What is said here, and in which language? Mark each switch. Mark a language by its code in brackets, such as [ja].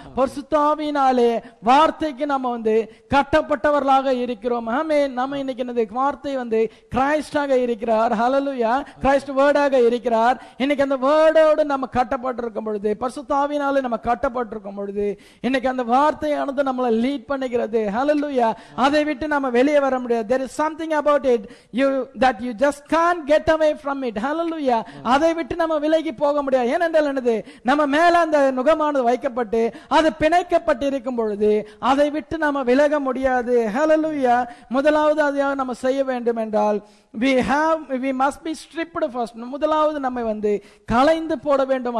[ta] பரிசுத்தாவியினாலே வார்த்தைக்கு நாம வந்து கட்டப்பட்டவர்களாக இருக்கிறோம். ஆமென். நாம இன்னைக்கு என்னது, வார்த்தை வந்து கிறிஸ்டாக இருக்கிறார். Hallelujah. கிறிஸ்ட் வேர்டாக இருக்கிறார். இன்னைக்கு அந்த வேர்டோடு நம்ம கட்டப்பட்டிருக்கும் பொழுது, பரிசுத்தாவியினாலே நம்ம கட்டப்பட்டிருக்கும் பொழுது இன்னைக்கு அந்த வார்த்தையானது நம்மளை லீட் பண்ணுகிறது. Hallelujah. அதை விட்டு நம்ம வெளியே வர முடியாது. [en] There is something about it that you just can't get away from it. [ta] Hallelujah. அதை விட்டு நம்ம விலகி போக முடியாது. நம்ம மேல அந்த நுகமானது வைக்கப்பட்டு அது பிணைக்கப்பட்டு இருக்கும் பொழுது அதை விட்டு நாம விலக முடியாது. ஹல்லேலூயா. முதலாவது அதை நாம செய்ய வேண்டும் என்றால், [en] We must be stripped first. [ta] முதலாவது நம்மை வந்து களைந்து போட வேண்டும்.